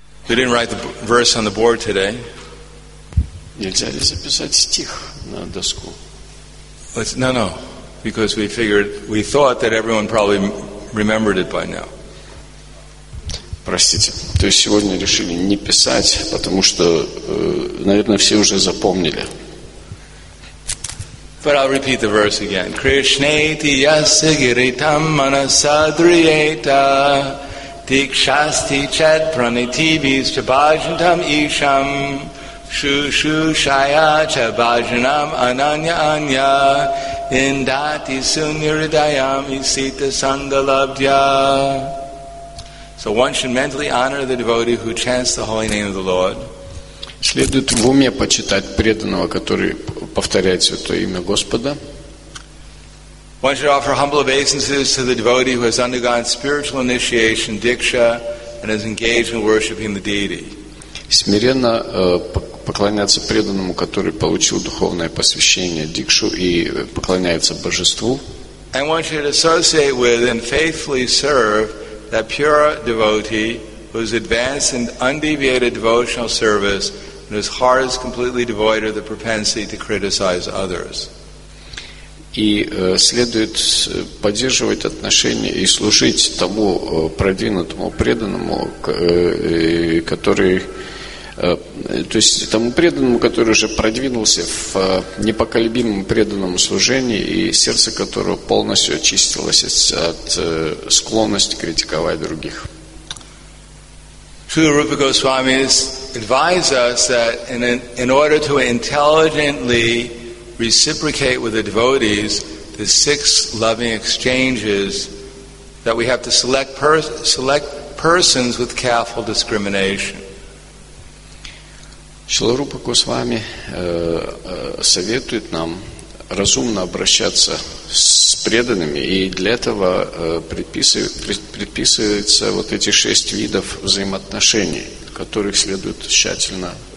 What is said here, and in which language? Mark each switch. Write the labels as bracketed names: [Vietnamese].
[English] We didn't write the verse on the board today. [Russian] Нельзя ли записать стих на доску? [English] No, because we figured, we thought that everyone probably remembered it by now. [Russian] Простите, то есть сегодня решили не писать, потому что, наверное, все уже запомнили. [English] But I'll repeat the verse again. [Sanskrit] Krishneti yasigiritam manasadriyeta tikshasti chet pranitibis chabajantam isham shushushaya chabajanam ananya anya indati sunyaridayam isita sandalabdhya. [English] So one should mentally honor the devotee who chants the holy name of the Lord. [Russian] Следует в уме почитать преданного, который повторяет святое имя Господа. [English] One should offer humble obeisances to the devotee who has undergone spiritual initiation, diksha, and is engaged in worshiping the deity. [Russian] Смиренно поклоняться преданному, который получил духовное посвящение, дикшу, и поклоняется божеству. [English] And one should associate with and faithfully serve that pure devotee who is advanced in undeviated devotional service and whose heart is completely devoid of the propensity to criticize others. [Russian] И следует поддерживать отношения и служить тому продвинутому преданному, тому преданному, который уже продвинулся в непоколебимом преданном служении, и сердце которого полностью очистилось от склонности критиковать других. [English] Sri Rupa Goswami advise us that in order to intelligently reciprocate with the devotees, the six loving exchanges, that we have to select persons with careful discrimination. [Russian] Шрила Рупа Госвами советует нам разумно обращаться с преданными, и для этого предписывается вот эти шесть видов взаимоотношений, которых следует тщательно